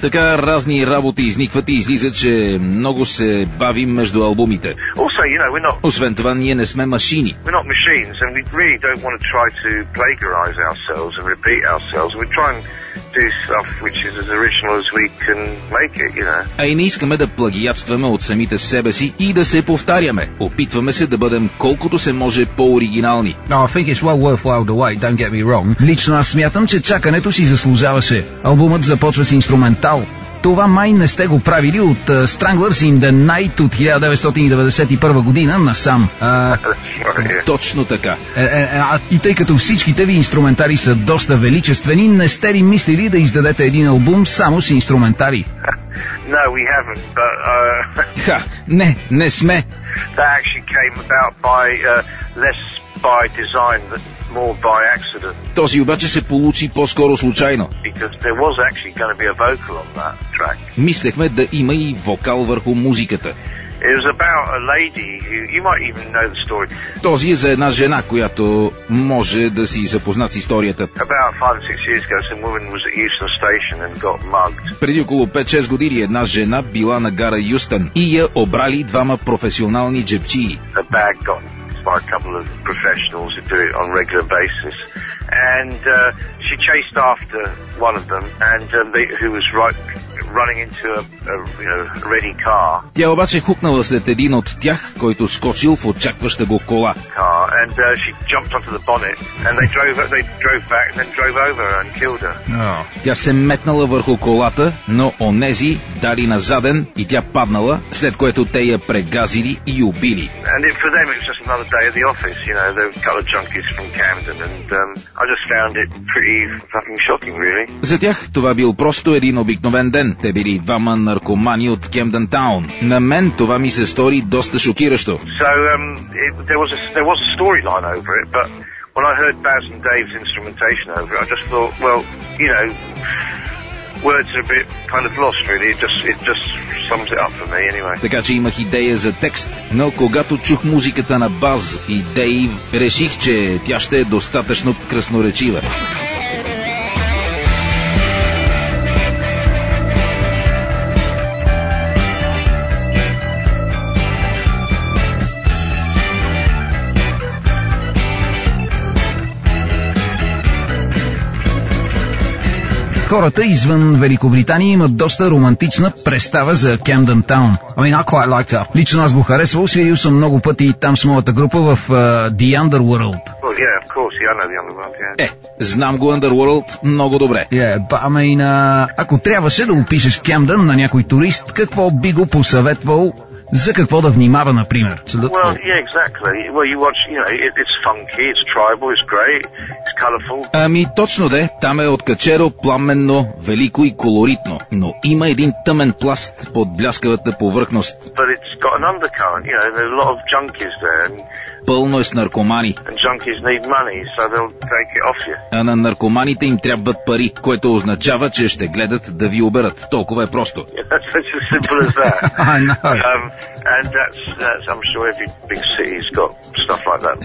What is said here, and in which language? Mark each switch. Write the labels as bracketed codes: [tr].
[bg] Така разни работи изникват и излиза, че много се бавим между албумите. [en] Also, [bg] освен това, ние не сме машини. [en] We're not machines, and we really don't want to try to plagiarize ourselves and repeat ourselves. We're trying to do stuff which is as original as we can make it, [bg] А и не искаме да плагиатстваме от самите себе си и да се повтаряме. Опитваме се да бъдем колкото се може по-оригинални. [en] No, I think it's well worthwhile the wait, don't get me wrong. [bg] Лично аз смятам, че чакането си заслужаваше. Албумът започва с инструментал. Това май не сте го правили от Stranglers in the Night от 1991 година насам. Точно така. И тъй като всичките ви инструментари са доста величествени, не сте ли мислили да издадете един албум само с инструментари? [en] No, we haven't, but... [bg] Ха, не, не сме. [en] That actually came about by less by design than... More by accident. [bg] Този обаче се получи по-скоро случайно. [en] Because there was actually going to be a vocal on that track. [bg] Мислехме да има и вокал върху музиката. [en] It was about a lady who, you might even know the story. [bg] Този е за една жена, която може да си запознат с историята. [en] About 5-6 years ago, some woman was at Euston Station and got mugged. [bg] Преди около 5-6 години една жена била на гара Юстън и я обрали двама професионални джебчии. [en] A bag got by a couple of professionals who do it on a regular basis. And she chased after one of them, and who was running into a ready car. [bg] Тя обаче хукнала след един от тях, който скочил в очакваща го кола. [en] Car, and she jumped onto the bonnet, and they drove back and then drove over and killed her. [bg] Тя се метнала върху колата, но онези дали на заден и тя паднала, след което те я прегазили и убили. [en] And for them it was just another day at the office, they were colored junkies from Camden, and I just found it pretty fucking shocking, really. [bg] За тях това бил просто един обикновен ден. Те били двама наркомани от Camden Town. На мен това ми се стори доста шокиращо. [en] So, there was a story. storyline over it, but when I heard Baz and Dave's instrumentation over it, I just thought, well, you know, words are a bit kind of lost, really. It just sums it up for me, anyway. [bg] Така че имах идея за текст, но когато чух музиката на Баз и Дейв, реших, че тя ще е достатъчно красноречива. Хората извън Великобритания имат доста романтична представа за Camden Town. [en] I mean, I quite like that. [bg] Лично аз го харесвал, свирил съм много пъти там с моята група в The Underworld. [en] Well, yeah, of course, yeah, I know The Underworld, yeah. [bg] Знам го Underworld много добре. [en] Yeah, but I mean, [bg] ако трябваше да опишеш Camden на някой турист, какво би го посъветвал? За какво да внимава, например? [en] Well, yeah, exactly. Well, you watch, you know, it's funky, it's tribal, it's great, it's colorful. [bg] Ами, точно де, там е откачеро, пламенно, велико и колоритно, но има един тъмен пласт под бляскавата повърхност. [en] But it's got an undercurrent, you know, there's a lot of junkies there. [bg] Пълно е с наркомани. [en] And junkies need money, so they'll take it off you. [bg] А на наркоманите им трябват пари, което означава, че ще гледат да ви оберат. Толкова е просто. [en] Yeah, that's such as simple as that. I know. And that's I'm sure every big city's got stuff like that.